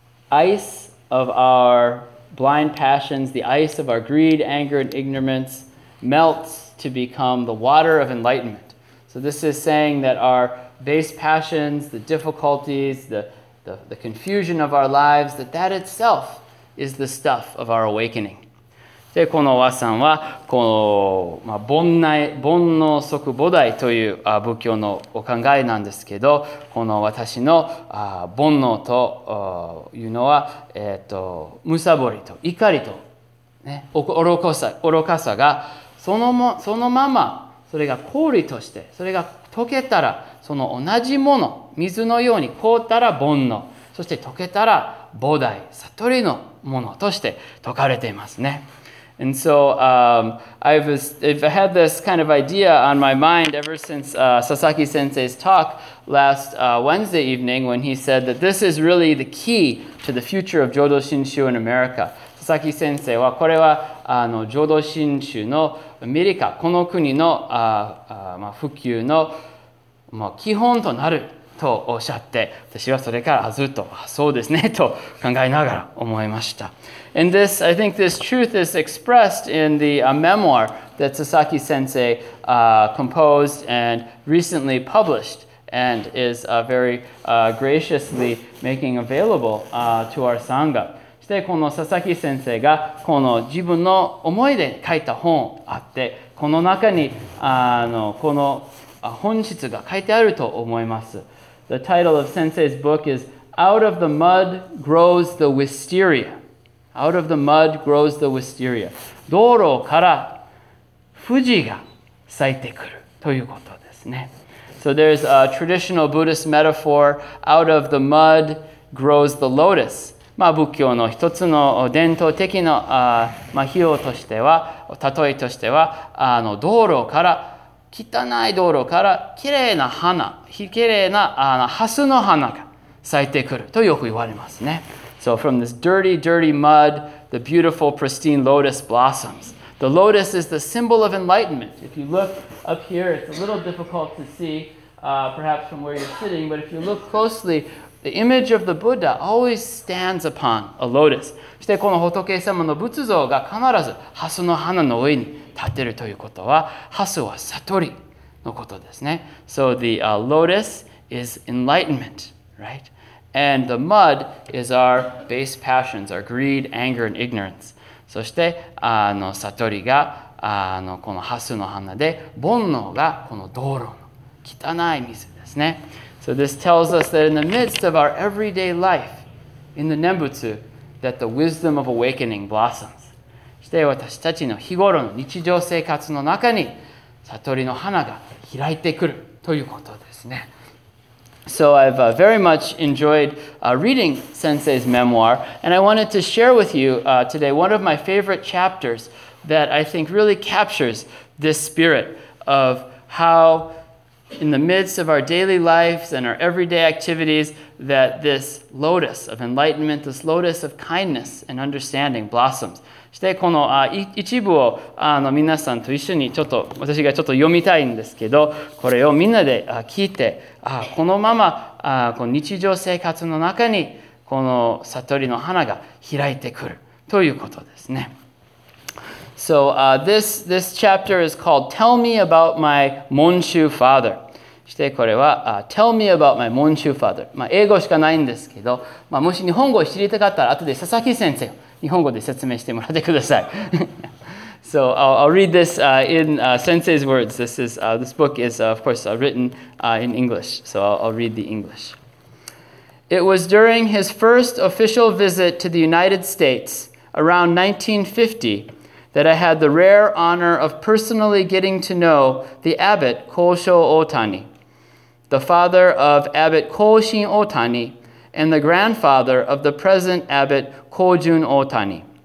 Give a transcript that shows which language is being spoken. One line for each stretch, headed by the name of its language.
English: ice of our blind passions, the ice of our greed, anger, and ignorance melts to become the water of enlightenment. So this is saying that our base passions, the difficulties, the confusion of our lives, that itself is the stuff of our awakening.
Japanese: で、この和さんは、この、まあ、煩悩即菩提という仏教のお考えなんですけど、この私の煩悩というのは、むさぼりと怒りと、ね、愚かさがそのまま、それが氷として、それが溶けたら、その同じもの、水のように凍ったら煩悩、そして溶けたら菩提、悟りのものとして説かれていますね。
English: And so, I've had this kind of idea on my mind ever since Sasaki Sensei's talk last Wednesday evening when he said that this is really the key to the future of Jodo Shinshu in America.
Japanese: Sasaki Sensei はこれは Jodo Shinshu のアメリカ、この国の普及のまあ、基本となるとおっしゃって、私はそれからずっとそうですねと考えながら思いました。
English: And this, I think this truth is expressed in the memoir that Sasaki Sensei composed and recently published and is very graciously making available to our Sangha.
Japanese: そしてこの佐々木先生がこの自分の思いで書いた本あって、この中にこの本質が書いてあると思います。
English: The title of 先生's book is Out of the Mud Grows the Wisteria. Out of the Mud Grows the Wisteria.
Japanese: 道路から藤が咲いてくるということですね。
English: So there's a traditional Buddhist metaphor, out of the mud grows the lotus.
Japanese: まあ仏教の一つの伝統的な、まあ、比喩としては、例えとしては、道路から、汚い道路から綺麗な花、綺麗な蓮の花が咲いてくるとよく言われますね。
English: So from this dirty, dirty mud, the beautiful, pristine lotus blossoms. The lotus is the symbol of enlightenment. If you look up here, it's a little difficult to see, perhaps from where you're sitting, but if you look closely, the image of the Buddha always stands upon a lotus.
Japanese: そしてこの仏様の仏像が必ず蓮の花の上に立っているということは、蓮は悟りのことですね。
English: So the lotus is enlightenment, right? And the mud is our base passions, our greed, anger, and ignorance.
Japanese: そして悟りがこの蓮の花で、煩悩がこの道路の汚い水ですね。
English: So this tells us that in the midst of our everyday life, in the Nembutsu, that the wisdom of awakening blossoms.
Japanese: そして私たちの日頃の日常生活の中に悟りの花が開いてくるということですね。
English: So I've very much enjoyed reading Sensei's memoir, and I wanted to share with you today one of my favorite chapters that I think really captures this spirit of how in the midst of our daily lives and our everyday activities that this lotus of enlightenment, this lotus of kindness and understanding blossoms.
Japanese: そしてこの一部を皆さんと一緒にちょっと私がちょっと読みたいんですけど、これをみんなで聞いて、このままこの日常生活の中にこの悟りの花が開いてくるということですね。
English: So this chapter is called Tell Me About My Monshu Father.
Japanese: そしてこれは Tell Me About My Monshu Father。まあ英語しかないんですけど、まあもし日本語を知りたかったら後で佐々木先生日本語で説明してもらってください。
English: So I'll read this in Sensei's words. This book is, of course, written in English. So I'll read the English. It was during his first official visit to the United States around 1950 that I had the rare honor of personally getting to know the abbot Kōshō Ōtani, the father of abbot Kōshin Ōtani, and the grandfather of the present abbot Kōjun Ōtani.